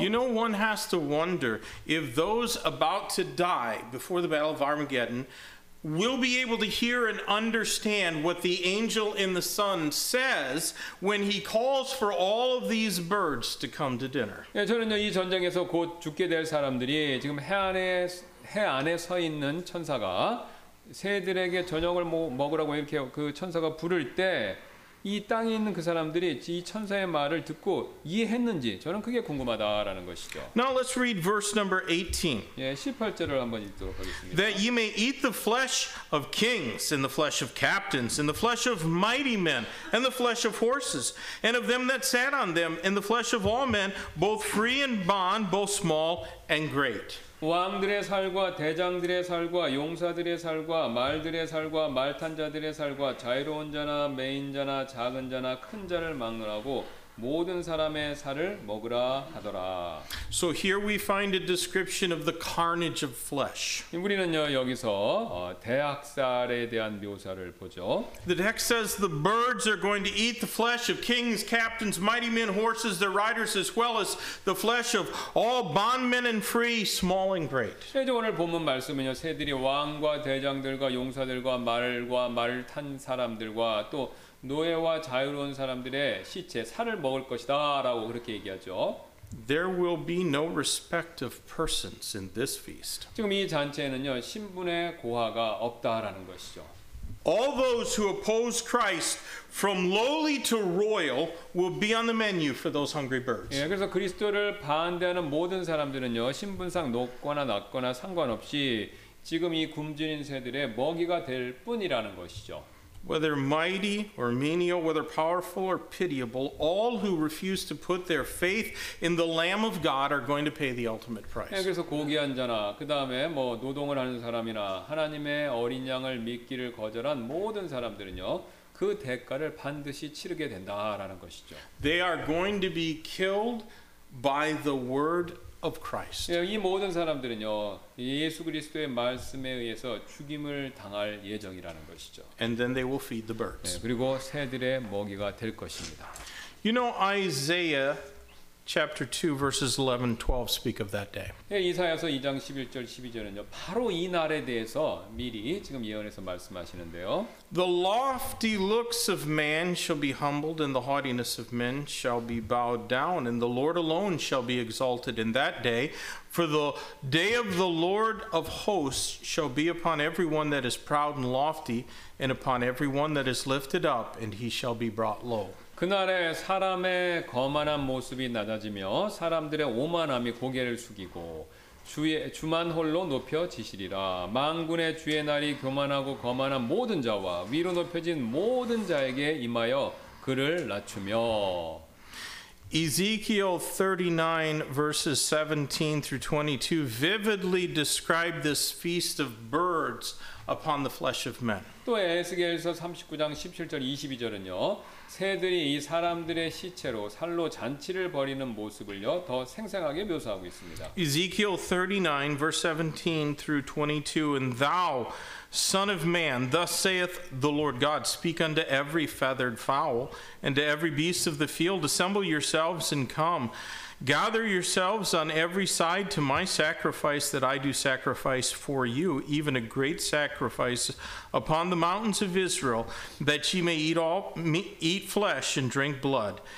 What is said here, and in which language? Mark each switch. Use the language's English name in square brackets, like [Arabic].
[English] You know, one has to wonder if those about to die before the Battle of Armageddon will be able to hear and understand what the angel in the sun says when he calls for all of these birds to come to dinner. [Korean] 예, 저는요 이 전쟁에서 곧 죽게 될 사람들이 지금 해 안에 서 있는 천사가 새들에게 저녁을 먹으라고 이렇게 그 천사가 부를 때. 이 땅에 있는 그 사람들이 이 천사의 말을 듣고 이해했는지 저는 그게 궁금하다라는 것이죠. [English] Now let's read verse number 18. [Korean] 예, 18절을 한번 읽도록 하겠습니다. [English] That ye may eat the flesh of kings and the flesh of captains and the flesh of mighty men and the flesh of horses and of them that sat on them and the flesh of all men both free and bond both small and great. [Korean] 왕들의 살과 대장들의 살과 용사들의 살과 말들의 살과 말탄자들의 살과 자유로운 자나 매인 자나 작은 자나 큰 자를 막론하고 모든 사람의 살을 먹으라 하더라. [English] So here we find a description of the carnage of flesh. [Korean] 우리는요 여기서 대학살에 대한 묘사를 보죠. [English] The text says the birds are going to eat the flesh of kings, captains, mighty men, horses, their riders, as well as the flesh of all bondmen and free, small and great. [Korean] 이제 오늘 본문 말씀은요 새들이 왕과 대장들과 용사들과 말과 말탄 사람들과 또 노예와 자유로운 사람들의 시체 살을 먹을 것이다라고 그렇게 얘기하죠. [English] There will be no respect of persons in this feast. [Korean] 지금 이 잔치에는요, 신분의 고하가 없다라는 것이죠. [English] All those who oppose Christ from lowly to royal will be on the menu for those hungry birds. [Korean] 예, 그래서 그리스도를 반대하는 모든 사람들은요, 신분상 높거나 낮거나 상관없이 지금 이 굶주린 새들의 먹이가 될 뿐이라는 것이죠. [English] Whether mighty or menial, whether powerful or pitiable, all who refuse to put their faith in the Lamb of God are going to pay the ultimate price. [Korean] 예, 그래서 고귀한 자나 그다음에 뭐 노동을 하는 사람이나 하나님의 어린 양을 믿기를 거절한 모든 사람들은요. 그 대가를 반드시 치르게 된다라는 것이죠. [English] They are going to be killed by the word of Christ. [Korean] 예, 이 모든 사람들은요. 예수 그리스도의 말씀에 의해서 죽임을 당할 예정이라는 것이죠. [English] And then they will feed the birds. [Korean] 예, 그리고 새들의 먹이가 될 것입니다. [English] You know Isaiah chapter 2 verses 11 12 speak of that day. [Korean] 예, 이사야서 2장 11절 12절은요. 바로 이 날에 대해서 미리 지금 예언해서 말씀하시는데요. [English] The lofty looks of man shall be humbled and the haughtiness of men shall be bowed down and the Lord alone shall be exalted in that day. For the day of the Lord of hosts shall be upon everyone that is proud and lofty and upon everyone that is lifted up and he shall be brought low. [Korean] 그날에 사람의 거만한 모습이 낮아지며 사람들의 오만함이 고개를 숙이고 주만 홀로 높여지시리라. 만군의 주의 날이 교만하고 거만한 모든 자와 위로 높여진 모든 자에게 임하여 그를 낮추며. [English] Ezekiel 39 verses 17 through 22 vividly describe this feast of birds upon the flesh of men. [Korean] 또 에스겔서 39장 17절 22절은요. 새들이 이 사람들의 시체로 살로 잔치를 벌이는 모습을요 더 생생하게 묘사하고 있습니다. [English] Ezekiel 39 verse 17 through 22 And thou, son of man, thus saith the Lord God, speak unto every feathered fowl and to every beast of the field, assemble yourselves and come. Gather yourselves on every side to my sacrifice that I do sacrifice for you, even a great sacrifice upon the mountains of Israel, that ye may eat flesh and drink blood.